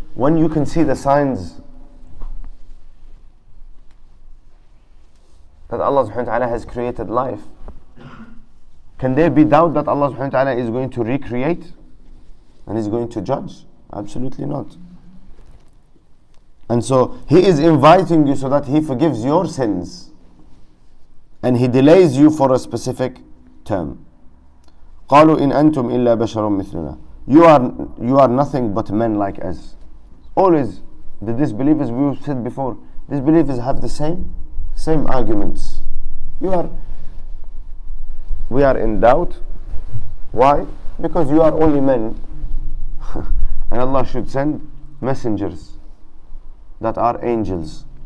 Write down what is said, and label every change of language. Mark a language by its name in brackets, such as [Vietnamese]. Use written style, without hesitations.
[English] When you can see the signs that Allah subhanahu wa ta'ala has created life, can there be doubt that Allah subhanahu wa ta'ala is going to recreate and is going to judge? Absolutely not. And so He is inviting you so that He forgives your sins, and He delays you for a specific term. [Arabic] قالوا إن أنتم إلا بشر مثلنا. [English] You are nothing but men like us. Always the disbelievers, we said before, disbelievers have the same arguments. We are in doubt. Why? Because you are only men. And Allah should send messengers that are angels.